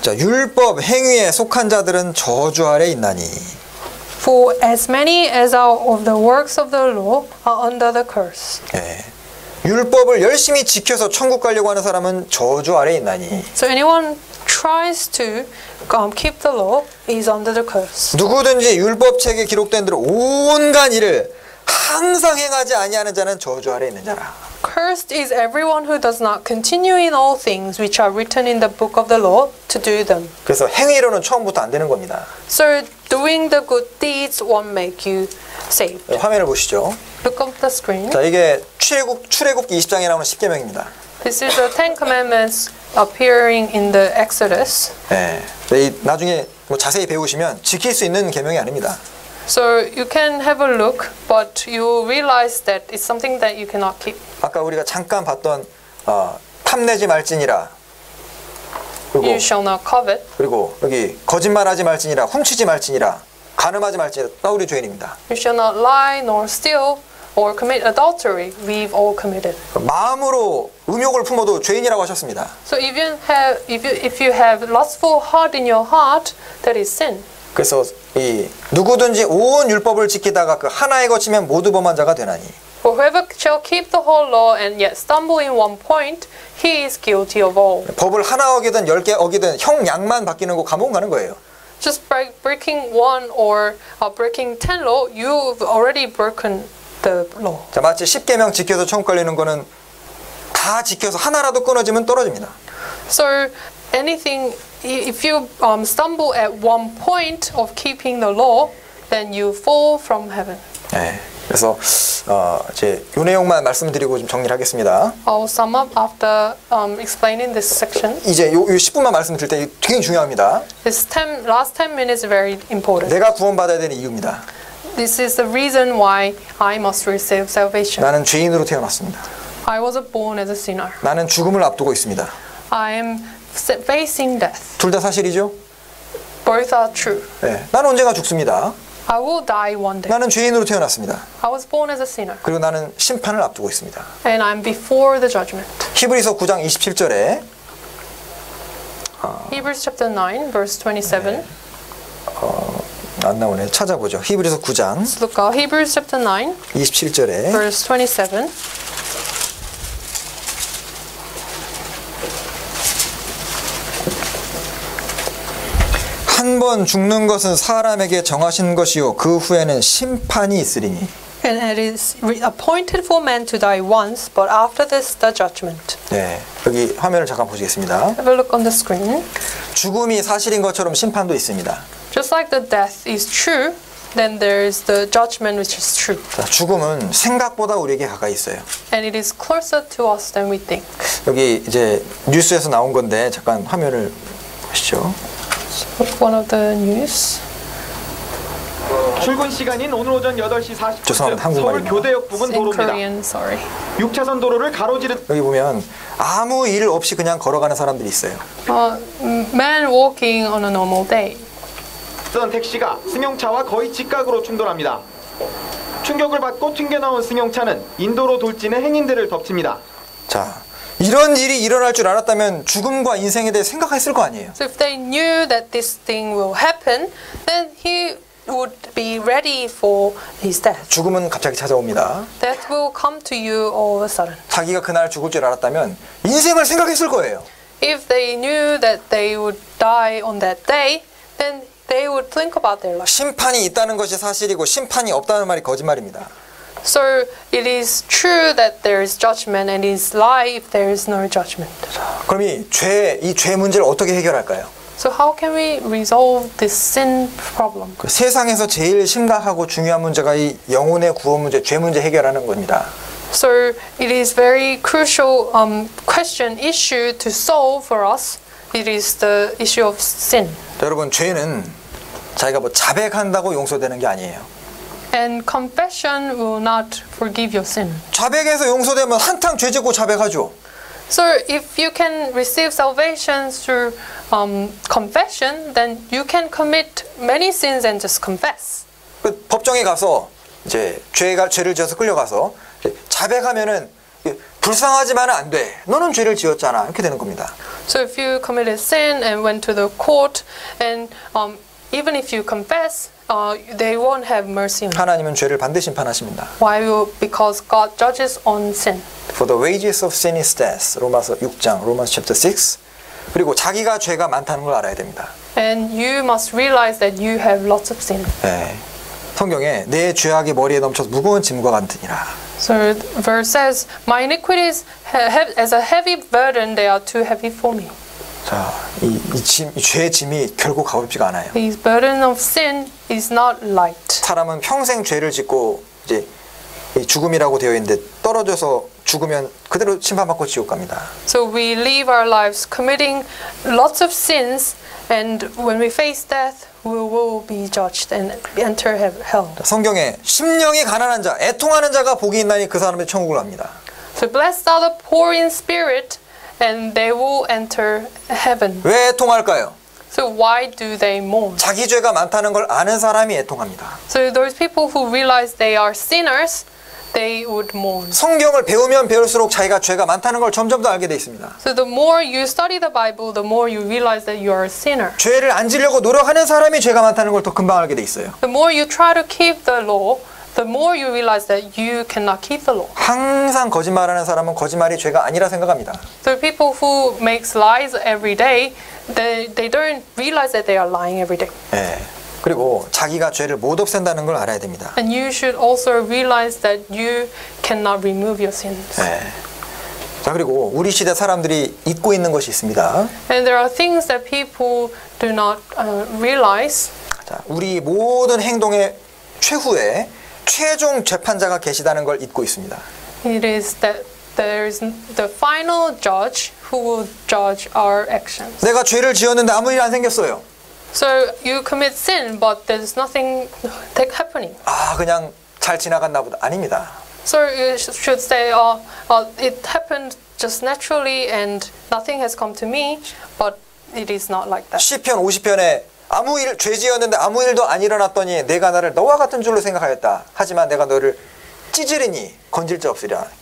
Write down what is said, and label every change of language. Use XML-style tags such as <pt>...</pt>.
<ko>자 율법 행위에 속한 자들은 저주 아래 있나니.</ko> <en>For as many as are of the works of the law are under the curse.</en> <ko>네. 율법을 열심히 지켜서 천국 가려고 하는 사람은 저주 아래 있나니.</ko> <en>So anyone tries to keep the law is under the curse.</en> <ko>누구든지 율법 책에 기록된 대로 온갖 일을 항상 행하지 아니하는 자는 저주 아래 있는 자라.</ko> <en>Cursed is everyone who does not continue in all things which are written in the book of the law to do them.</en> <ko>그래서 행위로는 처음부터 안 되는 겁니다.</ko> <en>So doing the good deeds won't make you saved.</en> <ko>네, 화면을 보시죠.</ko> <en>Look up the screen.</en> <ko>자, 이게 출애굽기 20장에 나오는 십계명입니다.</ko> <en>This is the Ten Commandments appearing in the Exodus.</en> <ko>네, 나중에 뭐 자세히 배우시면 지킬 수 있는 계명이 아닙니다.</ko> <en>So you can have a look, but you realize that it's something that you cannot keep.</en> <ko>아까 우리가 잠깐 봤던 탐내지 말지니라. 그리고,</ko> <en>you shall not covet.</en> <ko>그리고 여기 거짓말하지 말지니라, 훔치지 말지니라, 가늠하지 말지니라, 다 우리 죄인입니다.</ko> <en>You shall not lie nor steal or commit adultery. We've all committed.</en> <ko>마음으로 음욕을 품어도 죄인이라고 하셨습니다.</ko> <en>So even have if you have lustful heart in your heart, that is sin.</en> <ko>그래서 이 누구든지 온 율법을 지키다가 그 하나에 거치면 모두 범한 자가 되나니.</ko> <en>For whoever shall keep the whole law and yet stumble in one point, he is guilty of all.</en> <ko>법을 하나 어기든 열 개 어기든 형량만 바뀌는 거 감옥 가는 거예요.</ko> <en>Just by breaking one or breaking ten law, you've already broken the law.</en> <ko>자 마치 십계명 지켜서 천국 가려는 거는 다 지켜서 하나라도 끊어지면 떨어집니다.</ko> <en>So anything. If you stumble at one point of keeping the law, then you fall from heaven.</en> <ko>네, 그래서 이제 요 내용만 말씀드리고 좀 정리를 하겠습니다.</ko> <en>I'll sum up after explaining this section.</en> <ko>이제 요 10분만 말씀드릴 때 굉장히 중요합니다.</ko> <en>This last 10 minutes is very important.</en> <ko>내가 구원받아야 되는 이유입니다.</ko> <en>This is the reason why I must receive salvation.</en> <ko>나는 죄인으로 태어났습니다.</ko> <en>I was born as a sinner.</en> <ko>나는 죽음을 앞두고 있습니다.</ko> <en>I'm facing death.</en> <ko>둘 다 사실이죠?</ko> <en>Both are true.</en> <ko>네, 나는 언젠가 죽습니다.</ko> <en>I will die one day.</en> <ko>나는 죄인으로 태어났습니다.</ko> <en>I was born as a sinner.</en> <ko>그리고 나는 심판을 앞두고 있습니다.</ko> <en>And I'm before the judgment.</en> <ko>히브리서 9장 27절에</ko> <en>Hebrews chapter 9 verse 27.</en> <ko>네, 안 나오네. 찾아보죠. 히브리서 9장.</ko> <en>Let's look at Hebrews chapter 9.</en> <ko>27절에</ko> <en>verse 27.</en> <ko>한 번 죽는 것은 사람에게 정하신 것이요 그 후에는 심판이 있으리니.</ko> <en>And it is appointed for man to die once, but after this the judgment.</en> <ko>네, 여기 화면을 잠깐 보시겠습니다.</ko> <en>Have a look on the screen.</en> <ko>죽음이 사실인 것처럼 심판도 있습니다.</ko> <en>Just like the death is true, then there is the judgment which is true.</en> <ko>자, 죽음은 생각보다 우리에게 가까이 있어요.</ko> <en>And it is closer to us than we think.</en> <ko>여기 이제 뉴스에서 나온 건데 잠깐 화면을 보시죠.</ko> <en>One of the news.</en> <ko>출근 시간인 오늘 오전 8시 40분. 죄송합니다. 한국말. 서울 교대역 부근 도로입니다.</ko> <en>Korean, sorry.</en> <ko>6차선 도로를 가로지르. 여기 보면 아무 일 없이 그냥 걸어가는 사람들이 있어요.</ko> <en>Man walking on a normal day.</en> <ko>쓰던 택시가 승용차와 거의 직각으로 충돌합니다. 충격을 받고 튕겨 나온 승용차는 인도로 돌진해 행인들을 덮칩니다. 자. 이런 일이 일어날 줄 알았다면 죽음과 인생에 대해 생각했을 거 아니에요.</ko> <en>So if they knew that this thing will happen, then he would be ready for his death.</en> <ko>죽음은 갑자기 찾아옵니다.</ko> <en>Death will come to you all of a sudden.</en> <ko>자기가 그날 죽을 줄 알았다면 인생을 생각했을 거예요.</ko> <en>If they knew that they would die on that day, then they would think about their life.</en> <ko>심판이 있다는 것이 사실이고 심판이 없다는 말이 거짓말입니다.</ko> <en>So it is true that there is judgment and it is lie if there is no judgment.</en> <ko>그럼 이 죄 문제를 어떻게 해결할까요?</ko> <en>So how can we resolve this sin problem?</en> <ko>그 세상에서 제일 심각하고 중요한 문제가 이 영혼의 구원 문제, 죄 문제 해결하는 겁니다.</ko> <en>So it is very crucial question issue to solve for us. It is the issue of sin.</en> <ko>여러분, 죄는 자기가 뭐 자백한다고 용서되는 게 아니에요.</ko> <en>And confession will not forgive your sin.</en> <ko>자백해서 용서되면 한탕 죄 짓고 자백하죠.</ko> <en>So if you can receive salvation through confession, then you can commit many sins and just confess.</en> <ko>그 법정에 가서 이제 죄를 지어서 끌려가서 자백하면은 불쌍하지만 안 돼. 너는 죄를 지었잖아. 이렇게 되는 겁니다.</ko> <en>So if you committed sin and went to the court and even if you confess, they won't have mercy on you.</en> <ko>하나님은 죄를 반드시 심판하십니다.</ko> <en>Why? Because God judges on sin. For the wages of sin is death.</en> <ko>로마서 6장,</ko> <en>Romans chapter 6.</en> <ko>그리고 자기가 죄가 많다는 걸 알아야 됩니다.</ko> <en>And you must realize that you have lots of sin.</en> <ko>네. 성경에 내 죄악이 머리에 넘쳐서 무거운 짐과 같으니라.</ko> <en>So verse says, my iniquities as a heavy burden, they are too heavy for me.</en> <ko>자, 이 죄의 짐이 결국 가볍지가 않아요.</ko> <en>This burden of sin is not light.</en> <ko>사람은 평생 죄를 짓고 이제 죽음이라고 되어 있는데 떨어져서 죽으면 그대로 심판받고 지옥 갑니다.</ko> <en>So we live our lives committing lots of sins, and when we face death, we will be judged and enter hell.</en> <ko>성경에 심령이 가난한 자, 애통하는 자가 복이 있나니 그 사람의 천국을 갑니다.</ko> <en>So blessed are the poor in spirit, and they will enter heaven.</en> <ko>왜 애통할까요?</ko> <en>So why do they mourn?</en> <ko>자기 죄가 많다는 걸 아는 사람이 애통합니다.</ko> <en>So those people who realize they are sinners, they would mourn.</en> <ko>성경을 배우면 배울수록 자기가 죄가 많다는 걸 점점 더 알게 돼 있습니다.</ko> <en>So the more you study the Bible, the more you realize that you are a sinner.</en> <ko>죄를 안 지려고 노력하는 사람이 죄가 많다는 걸 더 금방 알게 돼 있어요.</ko> <en>The more you try to keep the law, the more you realize that you cannot keep the law.</en> <ko>항상 거짓말하는 사람은 거짓말이 죄가 아니라 생각합니다.</ko> <en>So people who makes lies every day, they don't realize that they are lying every day.</en> <ko>네. 그리고 자기가 죄를 못 없앤다는 걸 알아야 됩니다.</ko> <en>And you should also realize that you cannot remove your sins.</en> <ko>네. 자, 그리고 우리 시대 사람들이 잊고 있는 것이 있습니다.</ko> <en>And there are things that people do not realize.</en> <ko>자, 우리 모든 행동의 최후에 최종 재판자가 계시다는 걸 잊고 있습니다.</ko> <en>It is that there is the final judge who will judge our actions.</en> <ko>내가 죄를 지었는데 아무 일 안 생겼어요.</ko> <en>So you commit sin, but there's nothing happening.</en> <ko>아, 그냥 잘 지나갔나 보다. 아닙니다.</ko> <en>So you should say, it happened just naturally, and nothing has come to me, but it is not like that.</en> <ko>시편 50편에 아무 일 죄 지었는데 아무 일도 안 일어났더니 내가 나를 너와 같은 줄로 생각하였다. 하지만 내가 너를 찢으리니 건질 자 없으리라.</ko>